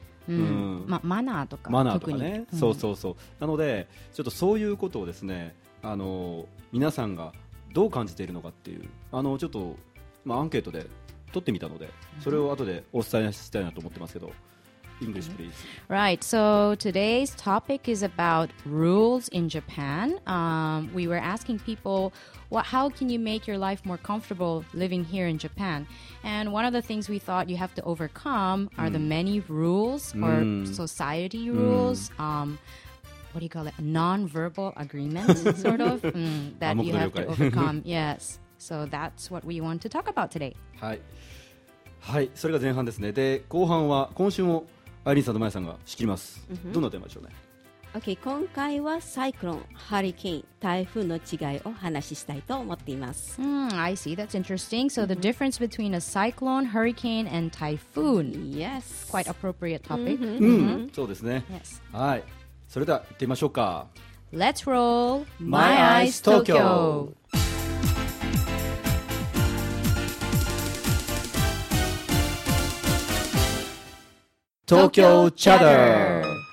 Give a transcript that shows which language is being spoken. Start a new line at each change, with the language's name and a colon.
Japanese: マナーとか、マナーとかね、そうそうそう、なのでちょっとそういうことをですね、皆さんがどう感じているのかっていう、ちょっと、まあ、アンケートで取ってみたので、それを後でお伝えしたいなと思ってますけど、
English: English please. Right, so today's topic is about rules in Japan. We were asking people, how can you make your life more comfortable living here in Japan? And one of the things we thought you have to overcome are the many rules or society rules, what do you call it, non-verbal agreements, sort of, that you have to overcome. Yes, so that's what we want to talk about today.
Japanese: はい、はい、それが前半ですね。で、後半は今週もアイリンさんとマヤさんが仕切ります。どんなテーマでしょうね。 Okay, 今回はサイクロン、ハリケーン、台風の違いを話したいと思っています。
English: I see. That's interesting. So the difference between a cyclone, hurricane, and typhoon. Yes. Quite appropriate topic.
Japanese: そうですね。
English: Yes.
Japanese: はい。それでは行ってみましょうか。
English: Let's roll My Eyes Tokyo. Tokyo Chatter.